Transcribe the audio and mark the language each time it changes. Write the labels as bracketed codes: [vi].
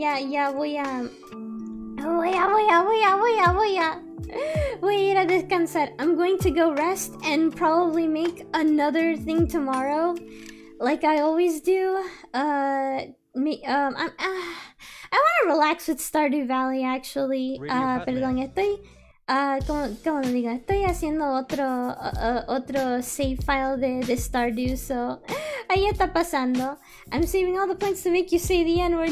[es] Ya voy a voy a ir a descansar. [en] I'm going to go rest and probably make another thing tomorrow. Like I always do. I want to relax with Stardew Valley actually. [es] Perdón, estoy cómo lo digo? Estoy haciendo otro save file de Stardew, so ahí está pasando. [en] I'm saving all the points to make you say the N-word.